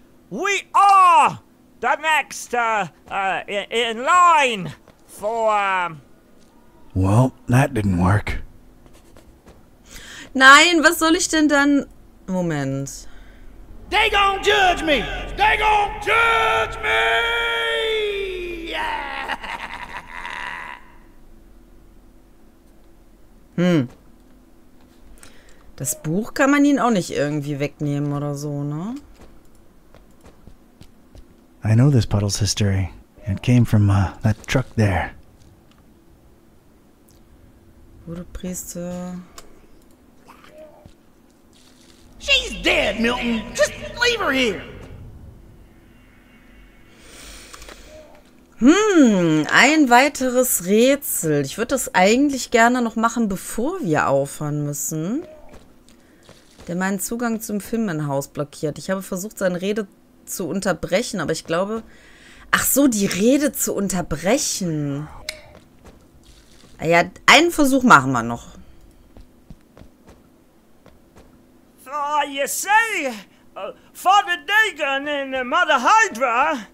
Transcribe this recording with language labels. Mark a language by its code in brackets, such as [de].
[en] We are the next in line for... Well, that didn't work. [de] Nein, was soll ich denn dann... Moment. [en] They gon' judge me! They gon' judge me! Yeah. Hm. [de] Das Buch kann man ihnen auch nicht irgendwie wegnehmen oder so, ne? [en] I know this puddle's history. It came from that truck there. [de] Wurde Priester. [en] She's dead, Milton. Just leave her here. [de] Hm, ein weiteres Rätsel. Ich würde das eigentlich gerne noch machen, bevor wir aufhören müssen. Der meinen Zugang zum Firmenhaus blockiert. Ich habe versucht, seine Rede zu unterbrechen, aber ich glaube... Ach so, die Rede zu unterbrechen. Ja, einen Versuch machen wir noch. [en] Oh, you see, Father Dagon and Mother Hydra,